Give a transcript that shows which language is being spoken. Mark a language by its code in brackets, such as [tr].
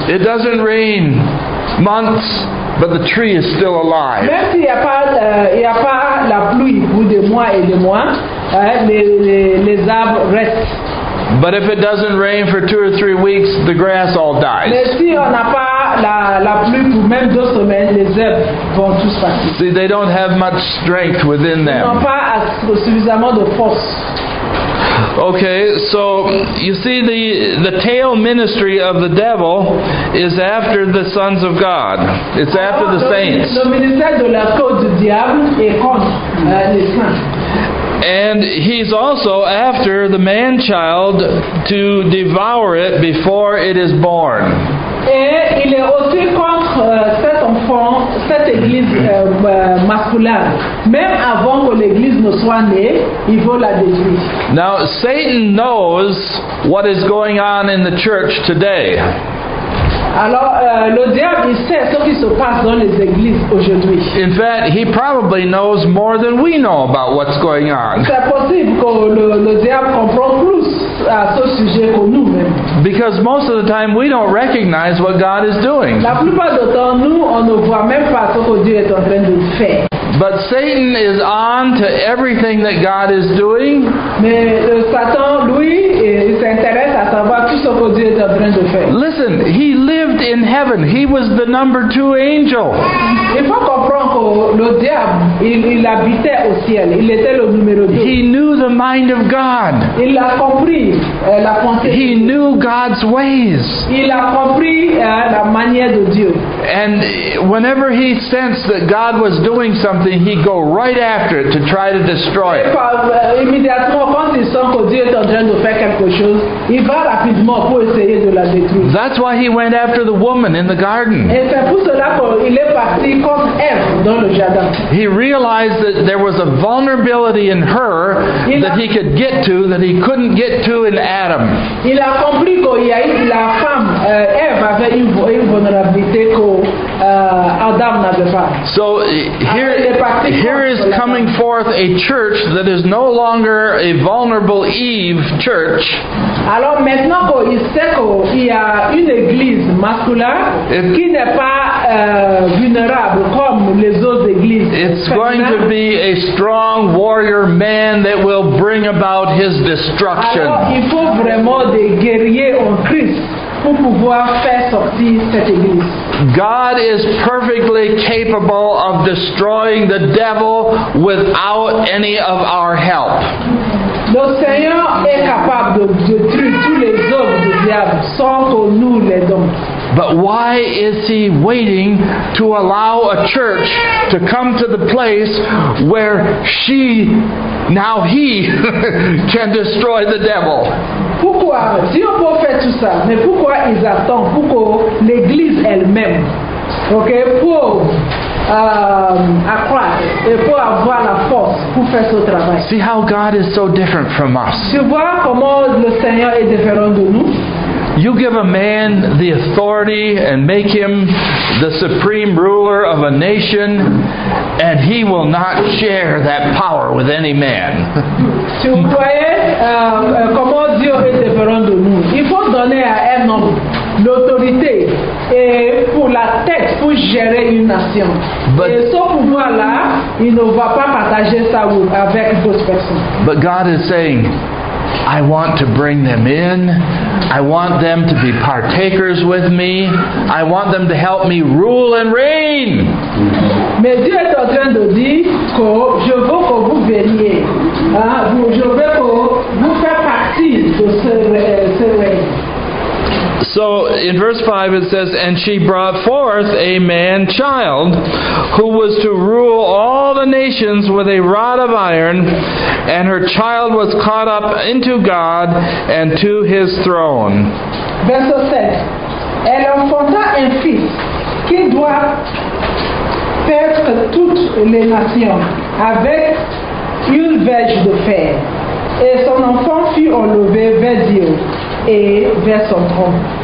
[en] It doesn't rain months, but the tree is still alive. [fr] Même s'il n'y a pas la pluie pour des mois et des mois, les arbres restent. [en] But if it doesn't rain for 2 or 3 weeks, the grass all dies. [fr] Mais si on n'a pas la pluie pour même 2 semaines, les herbes vont tous partir. [en] See, they don't have much strength within them. [fr] Ils n'ont pas suffisamment de force. [en] Okay, so you see the tail ministry of the devil is after the sons of God. It's after the saints. [fr] Le ministère de la côte du diable est contre les saints. [en] And he's also after the man-child to devour it before it is born. [fr] Et il est aussi contre cet enfant, cette église masculine. Même avant que l'église ne soit née, il veut la détruire. [en] Now, Satan knows what is going on in the church today. [fr] Alors, le diable, il sait ce qui se passe dans les églises aujourd'hui. [en] In fact, he probably knows more than we know about what's going on. [fr] C'est possible que le diable comprend plus à ce sujet que nous-mêmes. [en] Because most of the time, we don't recognize what God is doing. [fr] La plupart du temps, nous, on ne voit même pas ce que Dieu est en train de faire. [en] But Satan is on to everything that God is doing. [fr] Mais Satan, lui, il s'intéresse à savoir tout ce que Dieu est en train de faire. [en] Listen, he lived in heaven. He was the number two angel. [fr] Il faut comprendre que le diable, il habitait au ciel. Il était le numéro deux. [en] He knew the mind of God. [fr] Il a compris la pensée. [en] He knew God's ways. [fr] Il a compris la manière de Dieu. [en] And whenever he sensed that God was doing something, he'd go right after it to try to destroy it. [fr] Immédiatement, quand il sent que Dieu est en train de faire quelque chose, il va rapidement pour essayer de la détruire. [en] That's why he went after the woman in the garden. [fr] Et c'est pour cela qu'il est parti contre Eve dans le jardin. [en] He realized that there was a vulnerability in her that he could get to that he couldn't get to in Adam. [fr] Il a compris qu'il y a eu la femme, Eve avait une vulnérabilité Adam n'avait pas. [en] So here is coming forth a church that is no longer a vulnerable Eve church. [fr] Alors maintenant qu'il sait qu'il y a une église masculine qui n'est pas vulnérable comme les autres églises. [en] It's going to be a strong warrior man that will bring about his destruction. [fr] Alors il faut vraiment des guerriers en Christ pour pouvoir faire sortir cette église. [en] God is perfectly capable of destroying the devil without any of our help. [fr] Le Seigneur est capable de détruire tous les hommes du diable sans que nous les donnions. [en] But why is he waiting to allow a church to come to the place where she, now he, can destroy the devil? [fr] Pourquoi? Dieu peut faire tout ça, mais pourquoi ils attendent pour que l'église elle-même, ok, pour accroître et pour avoir la force pour faire ce travail? [en] See how God is so different from us. [fr] Tu vois comment le Seigneur est différent de nous? [en] You give a man the authority and make him the supreme ruler of a nation, and he will not share that power with any man. [fr] Tu croyais comment Dieu est différent de nous? Il faut donner à un homme l'autorité et pour la tête pour gérer une nation. [en] But, [fr] et ce pouvoir-là, il ne va pas partager ça avec d'autres personnes. [en] But God is saying, I want to bring them in. I want them to be partakers with me. I want them to help me rule and reign. [fr] Mais Dieu est en train de dire que je veux que vous veniez. Je veux que vous fassiez partie de ce règne. [en] So in verse 5 it says, and she brought forth a man child who was to rule all the nations with a rod of iron, and her child was caught up into God and to his throne. Verse 7. [fr] Elle enfanta un fils qui doit faire toutes les nations avec une verge de fer. Et son enfant fut enlevé vers Dieu et vers son trône.